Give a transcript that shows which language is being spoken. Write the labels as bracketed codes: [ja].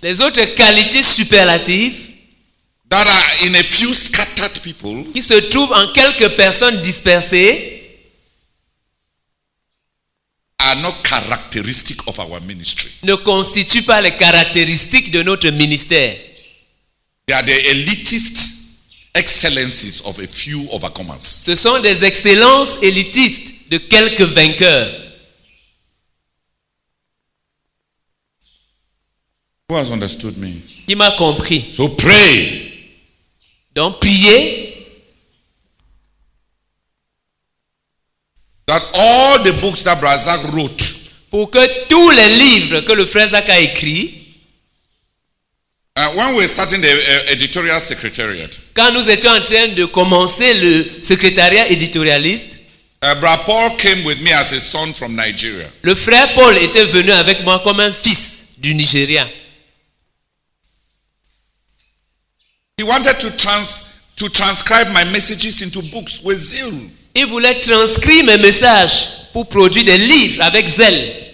[fr] Les autres qualités superlatives. [en] That are in a few scattered people, [fr] qui se trouvent en quelques personnes dispersées, [en] are not characteristic of our ministry. [fr] Ne constituent pas les caractéristiques de notre ministère. [en] They are the elitist excellences of a few overcomers. [fr] Ce sont des excellences élitistes de quelques vainqueurs. [en] Who has understood me? [fr] Qui m'a compris? [en] So pray. [fr] Donc priez. [en] That all the books that Brazzac wrote, [fr] pour que tous les livres que le frère Zach a écrit, [en] when we're starting the editorial secretariat, [fr] quand nous étions en train de commencer le secrétariat éditorialiste, [en] Brother Paul came with me as a son from Nigeria. [fr] Le frère Paul était venu avec moi comme un fils du Nigeria. [en] He wanted to transcribe my messages into books with zeal. [fr] Il voulait transcrire mes messages pour produire des livres avec zèle.